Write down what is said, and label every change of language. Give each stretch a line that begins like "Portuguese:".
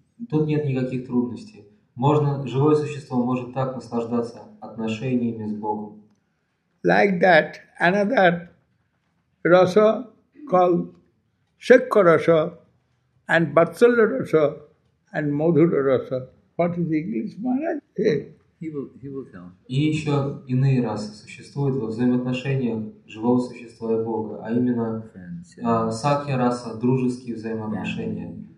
Russian: Тут нет никаких трудностей. Можно, живое существо может так наслаждаться отношениями с Богом.
English: Like that, another rasa called Shakya rasa and Vatsalya rasa and Madhura rasa. What is English, Maharaj? He will tell.
Russian: И еще иные расы существуют во взаимоотношениях живого существа и Бога, а именно Сакья раса, дружеские взаимоотношения.